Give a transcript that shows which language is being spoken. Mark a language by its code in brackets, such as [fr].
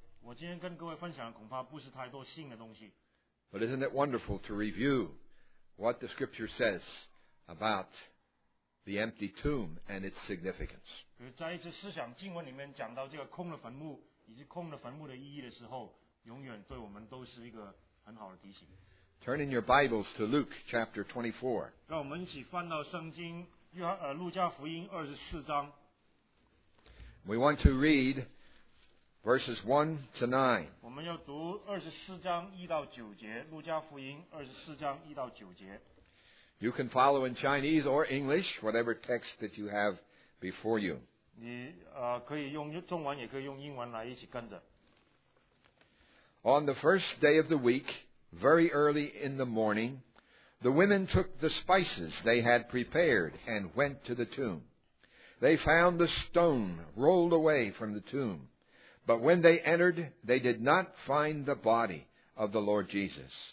[en] But isn't it wonderful to review what the Scripture says about the empty tomb and its significance? Turn in your Bibles to Luke chapter 24. [zh] 让我们一起翻到圣经，路加福音二十四章。 [en] We want to read verses 1-9. [zh] 我们要读二十四章一到九节，路加福音二十四章一到九节。 [en] You can follow in Chinese or English, whatever text that you have before you. [zh] 你可以用中文，也可以用英文来一起跟着。 [en] On the first day of the week. Very early in the morning, the women took the spices they had prepared and went to the tomb. They found the stone rolled away from the tomb. But when they entered, they did not find the body of the Lord Jesus.